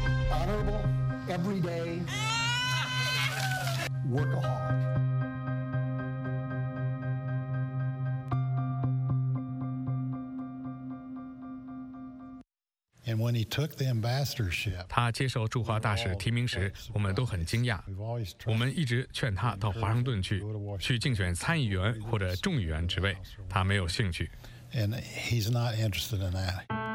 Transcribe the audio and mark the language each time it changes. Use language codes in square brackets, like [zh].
[en] Honorable, everyday, workaholic. And when he took the ambassadorship, [zh] 他接受驻华大使提名时，我们都很惊讶。我们一直劝他到华盛顿去，去竞选参议员或者众议员职位，他没有兴趣。 [en] And he's not interested in that.